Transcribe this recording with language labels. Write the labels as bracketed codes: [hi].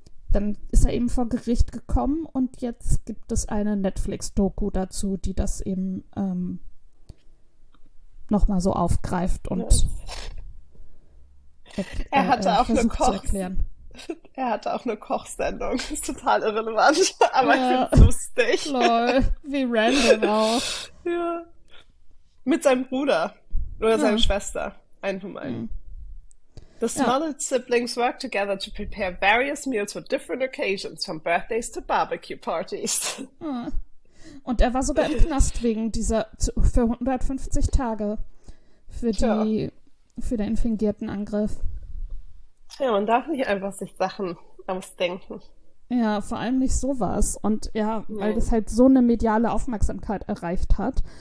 [de] Dann ist er eben vor Gericht gekommen und jetzt gibt es eine Netflix-Doku dazu, die das eben nochmal so aufgreift und er hatte auch versucht eine Koch- zu erklären. Er hatte auch eine Kochsendung. Das ist total irrelevant, aber ja. Ich finde es lustig. Lol, wie random auch. Ja. Mit seinem Bruder oder seiner Schwester. [en] The Smollett siblings work together to prepare various meals for different occasions, from birthdays to barbecue parties. [de] Und er war sogar im Knast wegen dieser, für 150 Tage, für den fingierten Angriff. Ja, man darf nicht einfach sich Sachen ausdenken. Ja, vor allem nicht sowas. Und ja, weil das halt so eine mediale Aufmerksamkeit erreicht hat.